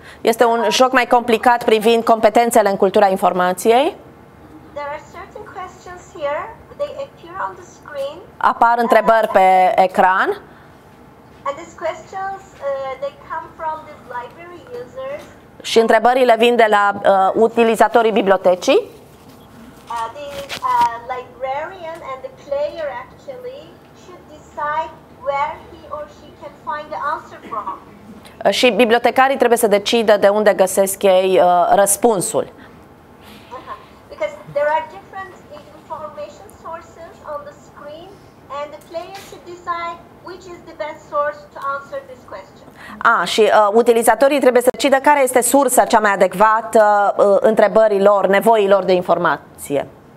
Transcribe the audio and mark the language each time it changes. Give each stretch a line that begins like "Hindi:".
Romanian: Este un joc mai complicat privind competențele în cultura informației.
English: There are certain questions here. They appear on the screen.
Romanian: Apar întrebări pe ecran.
English: And these questions they come from these library users.
Romanian: Și întrebările vin de la utilizatorii bibliotecii.
English: The librarian and the player actually should decide where he or she can find the answer from.
Romanian: Și bibliotecarii trebuie să decidă de unde găsesc ei răspunsul.
English: Because there are different information sources on the screen and the player should decide which is the best source to answer this question.
Romanian: Și utilizatorii trebuie să decidă care este sursa cea mai adecvată întrebărilor, nevoilor de informație.